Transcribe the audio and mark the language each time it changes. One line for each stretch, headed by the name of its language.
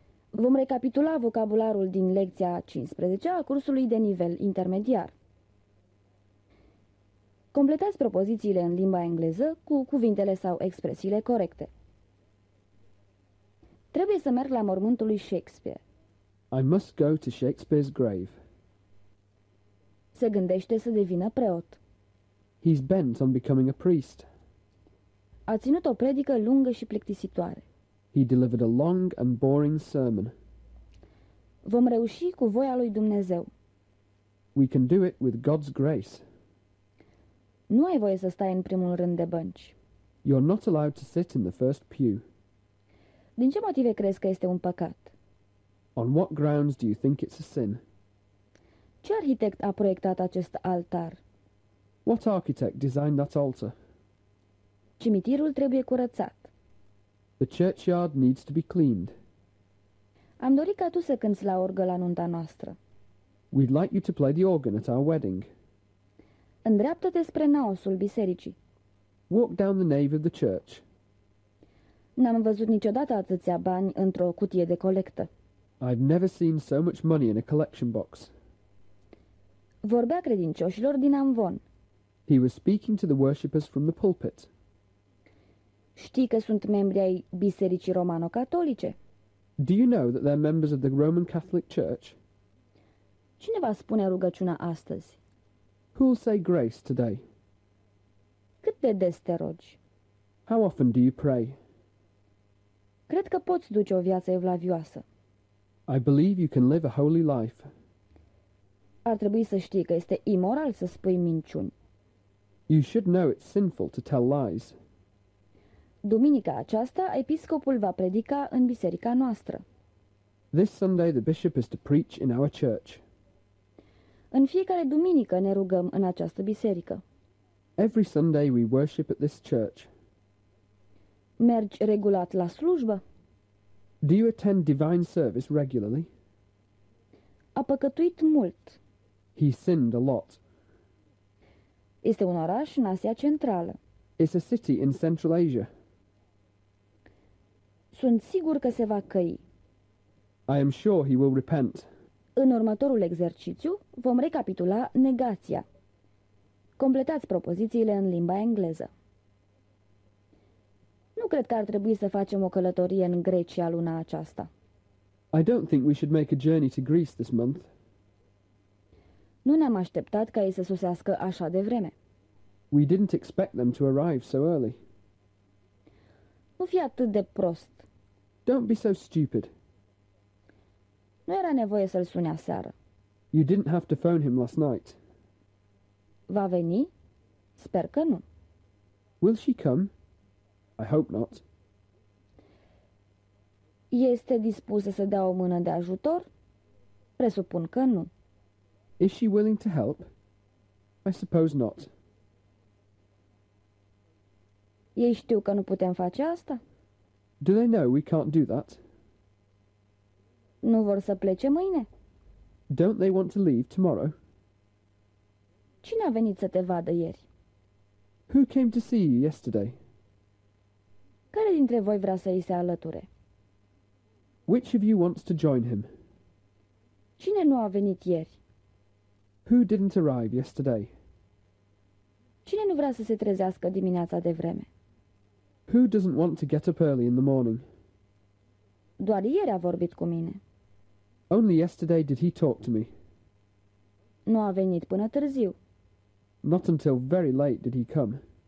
Romanian: Vom recapitula vocabularul din lecția 15 a cursului de nivel intermediar. Completați propozițiile în limba engleză cu cuvintele sau expresiile corecte. Trebuie să merg la mormântul lui Shakespeare.
English: I must go to Shakespeare's grave.
Romanian: Se gândește să devină preot.
English: He's bent on becoming a priest.
Romanian: A ținut o predică lungă și plictisitoare.
English: He delivered a long and boring sermon.
Romanian: Vom reuși cu voia lui Dumnezeu.
English: We can do it with God's grace.
Romanian: Nu ai voie să stai în primul rând de bănci.
English: You're not allowed to sit in the first pew.
Romanian: Din ce motive crezi că este un păcat?
English: On what grounds do you think it's a sin?
Romanian: Ce arhitect a proiectat acest altar?
English: What architect designed that altar?
Romanian: Cimitirul trebuie curățat.
English: The churchyard needs to be cleaned.
Romanian: Am dorit ca tu să cânți la orgă la nunta noastră.
English: We'd like you to play the organ at our wedding.
Romanian: Îndreaptă-te spre naosul bisericii.
English: Walk down the nave of the church.
Romanian: N-am văzut niciodată atâția bani într-o cutie de colectă.
English: I've never seen so much money in a collection box.
Romanian: Vorbea credincioșilor din amvon.
English: He was speaking to the worshippers from the pulpit.
Romanian: Știi că sunt membri ai Bisericii Romano-Catolice?
English: Do you know that they're members of the Roman Catholic Church?
Romanian: Cine va spune rugăciunea astăzi?
English: Who'll say grace today?
Romanian: Cât de des te rogi?
English: How often do you pray?
Romanian: Cred că poți duce o viață evlavioasă.
English: I believe you can live a holy life.
Romanian: Ar trebui să știi că este imoral să spui minciuni.
English: You should know it's sinful to tell lies.
Romanian: Duminica aceasta, episcopul va predica în biserica noastră.
English: This Sunday the bishop is to preach in our church.
Romanian: În fiecare duminică ne rugăm în această biserică.
English: Every Sunday we worship at this church.
Romanian: Mergi regulat la slujbă?
English: Do you attend divine service regularly?
Romanian: A păcătuit mult.
English: He sinned a lot.
Romanian: Este un oraș în Asia Centrală.
English: It's a city in Central Asia.
Romanian: Sunt sigur că se va căi.
English: I am sure he will repent.
Romanian: În următorul exercițiu vom recapitula negația. Completați propozițiile în limba engleză. Nu cred că ar trebui să facem o călătorie în Grecia luna aceasta.
English: I don't think we should make a journey to Greece this month.
Romanian: Nu ne-am așteptat ca ei să sosească așa de vreme.
English: We didn't expect them to arrive so early.
Romanian: Nu fi atât de prost.
English: Don't be so stupid.
Romanian: Nu era nevoie să-l suni aseară.
English: You didn't have to phone him last night.
Romanian: Va veni? Sper că nu.
English: Will she come? I hope not.
Romanian: Este dispusă să dea o mână de ajutor? Presupun că nu.
English: Is she willing to help? I suppose not.
Romanian: Ei știu că nu putem face asta?
English: Do they know we can't do that?
Romanian: Nu vor să plece mâine?
English: Don't they want to leave tomorrow?
Romanian: Cine a venit să te vadă ieri?
English: Who came to see you yesterday?
Romanian: Care dintre voi vrea să îi se alăture?
English: Which of you wants to join him?
Romanian: Cine nu a venit ieri?
English: Who didn't arrive yesterday?
Romanian: Cine nu vrea să se trezească dimineața de vreme?
English: Who doesn't want to get up early in the morning?
Romanian: Doar ieri a vorbit cu mine.
English: Only yesterday did he talk to me.
Romanian: Nu a venit până târziu.
English: Not until very late did he come.